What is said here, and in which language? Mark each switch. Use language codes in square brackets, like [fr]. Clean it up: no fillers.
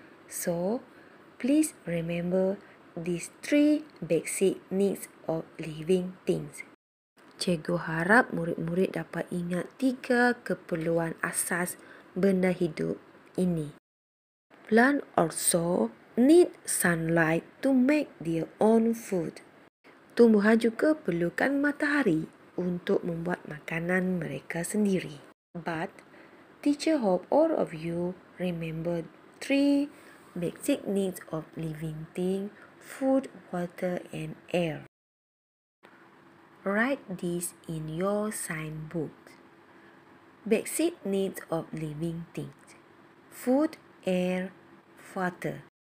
[en] So, please remember these three basic needs of living things. [ms] Cikgu harap murid-murid dapat ingat tiga keperluan asas benda hidup ini. [en] Plant also need sunlight to make their own food. [ms] Tumbuhan juga perlukan matahari untuk membuat makanan mereka sendiri. [en] But teacher hope all of you remember three basic needs of living things: food, water, and air. Write this in your sign book. Basic needs of living things: food, air, water.